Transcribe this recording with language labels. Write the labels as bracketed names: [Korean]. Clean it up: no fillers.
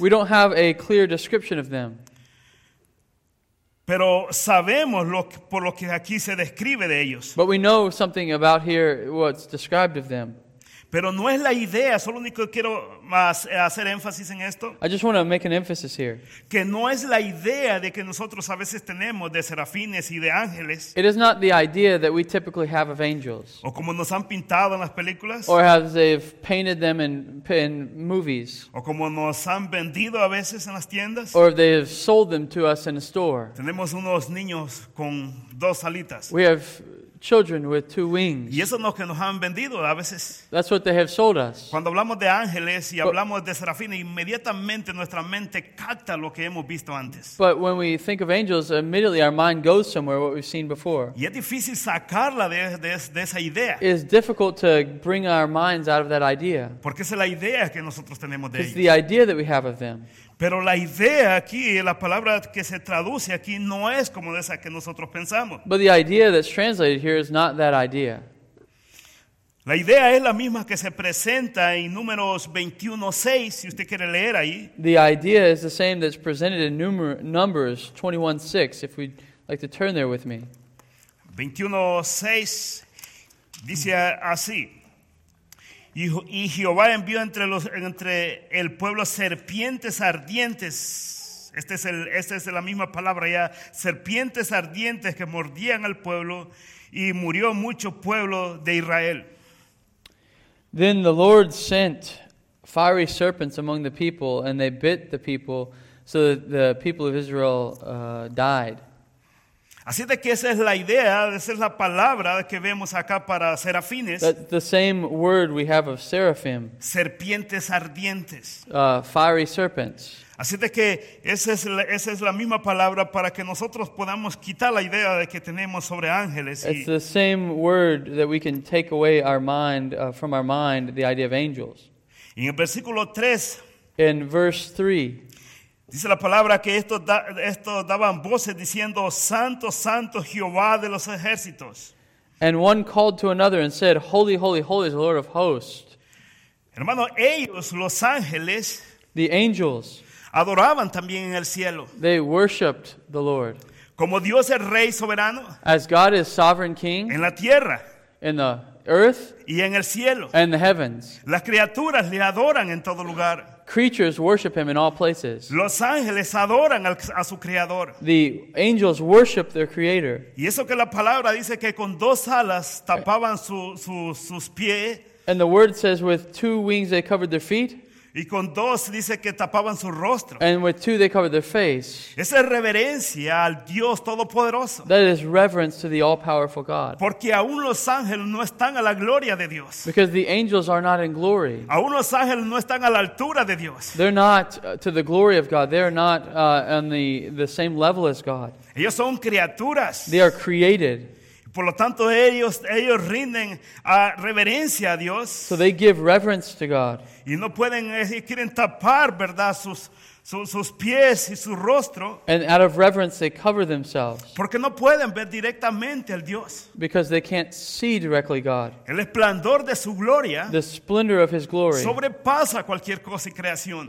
[English] We don't have a clear description of them. [Spanish] Pero sabemos por lo que aquí se describe de ellos. [English] But we know something about here, what's described of them. [Spanish] Pero no es la idea, solo único quiero más hacer énfasis en esto. [English] I just want to make an emphasis here. [Spanish] Que no es la idea de que nosotros a veces tenemos de serafines y de ángeles. [English] It is not the idea that we typically have of angels. [Spanish] O como nos han pintado en las películas. [English] Or as they've painted them in movies. [Spanish] O como nos han vendido a veces en las tiendas. [English] Or they have sold them to us in a store. [Spanish] Tenemos unos niños con dos alitas. [English] We have children with two wings. [Spanish] Y eso es lo que nos han vendido a veces. [English] That's what they have sold us. [Spanish] Cuando hablamos de ángeles y hablamos de serafines, inmediatamente nuestra mente capta lo que hemos visto antes. [English] But when we think of angels, immediately our mind goes somewhere what we've seen before. [Spanish] Y es difícil sacarla de esa idea. [English] It's difficult to bring our minds out of that idea. [Spanish] Porque es la idea que nosotros tenemos de ellos. [English] It's the idea that we have of them. [Spanish] Pero la idea aquí, la palabra que se traduce aquí, no es como esa que nosotros pensamos. [English] But the idea that's translated here is not that idea. [Spanish] La idea es la misma que se presenta en Números 21:6, si usted quiere leer ahí. [English] The idea is the same that's presented in Numbers 21:6, if we'd like to turn there with me. [Spanish] 21:6 dice así. Y Jehová envió entre el pueblo serpientes ardientes. Esta es la misma palabra ya. Serpientes ardientes que mordían al pueblo y murió mucho pueblo de Israel. [English] Then the Lord sent fiery serpents among the people, and they bit the people, so that the people of Israel died. [Spanish] Así de que esa es la idea, esa es la palabra que vemos acá para serafines. [English] That's the same word we have of seraphim. [Spanish] Serpientes ardientes. [English] Fiery serpents. [Spanish] Así de que esa es la misma palabra para que nosotros podamos quitar la idea de que tenemos sobre ángeles. [English] It's the same word that we can take away our mind from our mind the idea of angels. [Spanish] Y en el versículo 3. [English] In verse 3. [Spanish] Dice la palabra que estos daban voces diciendo, Santo, Santo, Jehová de los ejércitos. [English] And one called to another and said, Holy, holy, holy is the Lord of hosts. [Spanish] Hermano, ellos, los ángeles, [English] the angels, [Spanish] adoraban también en el cielo. [English] They worshipped the Lord. [Spanish] Como Dios es Rey soberano. [English] As God is sovereign King. [Spanish] En la tierra. [English] In the earth. [Spanish] Y en el cielo. [English] And the heavens. [Spanish] Las criaturas le adoran en todo lugar. [English] Creatures worship him in all places. [Spanish] Los ángeles adoran a su creador. [English] The angels worship their creator. [Spanish] Y eso que la palabra dice que con dos alas tapaban sus pies. [English] And the word says with two wings they covered their feet. [Spanish] Y con dos dice que tapaban su rostro. [English] And with two they covered their face. [Spanish] Esa es reverencia al Dios Todopoderoso. [English] That is reverence to the all-powerful God. [Spanish] Porque aún los ángeles no están a la gloria de Dios. [English] Because the angels are not in glory. [Spanish] Aún los ángeles no están a la altura de Dios. [English] They're not to the glory of God. They're not on the same level as God. [Spanish] Ellos son criaturas. [English] They are created. [Spanish] Por lo tanto, ellos rinden a reverencia a Dios. [English] So they give reverence to God. [Spanish] Y no pueden, quieren tapar, ¿verdad?, sus pies y su rostro. [English] And out of reverence, they cover themselves. [Spanish] Porque no pueden ver directamente al Dios. [English] Because they can't see directly God. [Spanish] El esplendor de su gloria. [English] The splendor of his glory. [Spanish] Sobrepasa cualquier cosa y creación.